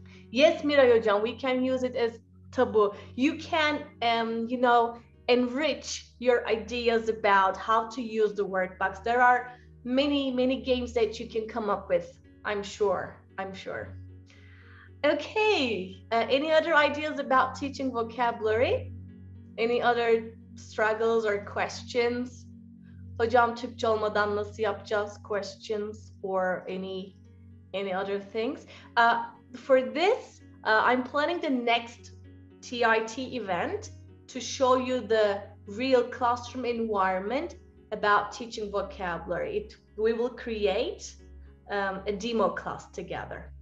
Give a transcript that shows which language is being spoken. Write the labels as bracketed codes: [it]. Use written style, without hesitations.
[en] Yes, Miray Hocam, we can use it as taboo. You can, you know, enrich your ideas about how to use the word box. There are many, many games that you can come up with, I'm sure. Okay, any other ideas about teaching vocabulary? Any other struggles or questions? [tr] Hocam Türkçe olmadan nasıl yapacağız? [en] Questions or any other things? For this, I'm planning the next TIT event to show you the real classroom environment about teaching vocabulary. We will create a demo class together.